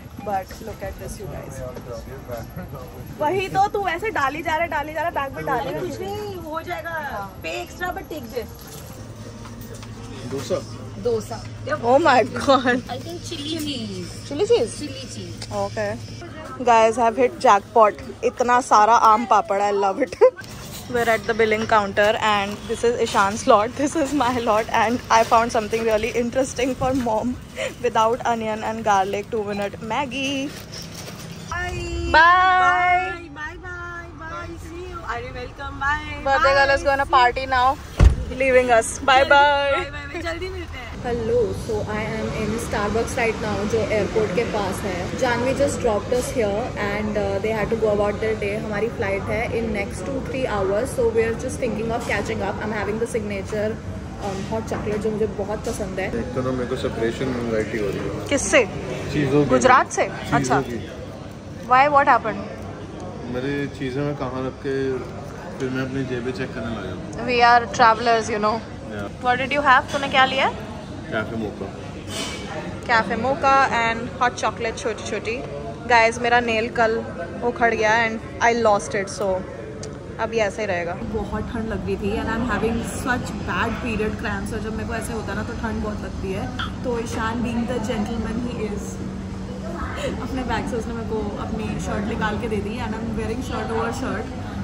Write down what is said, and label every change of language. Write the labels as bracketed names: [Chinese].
[Hindi] But look at this you guys वही तो तू ऐसे डाली जा रहा बैग में डाले कुछ नहीं हो जाएगा पे extra but take this [English] Dosa. Oh my god. I think chili cheese. Okay. Guys, I've hit jackpot. [Hindi] इतना सारा आम पापड़ I love it. [English] We're at the billing counter and this is Ishan's lot. This is my lot and I found something really interesting for mom without onion and garlic 2-minute Maggie. Bye. Bye. Bye. Bye. See you. Are you welcome? Bye. Birthday girl is going to party now. Leaving us. Bye bye. Hello. So I am in Starbucks right now जो airport के पास है. Janhvi just dropped us here and they had to go about their day. हमारी flight है in next 2-3 hours so we are just thinking of catching up. I am having the signature hot chocolate जो मुझे बहुत पसंद है. [Hindi] किससे? गुजरात से. अच्छा व्हाई व्हाट हैपेंड? मेरी चीजें मैं कहाँ रख के फिर मैं अपनी जेबें चेक करने लगा। [English] We are travelers, you know. Yeah. What did you have? तूने क्या लिया? Cafe mocha. Cafe mocha and hot chocolate, छोटी छोटी. [Hindi] Guys, मेरा nail कल वो खड़ गया and I lost it, so अभी ऐसे ही रहेगा। बहुत ठंड लग रही थी and I am having such bad period cramps, और जब मेरे को ऐसे होता ना तो ठंड बहुत लगती है। तो Ishan being the gentleman he is अपने बैग से उसने मेरे को अपनी शर्ट निकाल के दे दी and I am wearing shirt over shirt.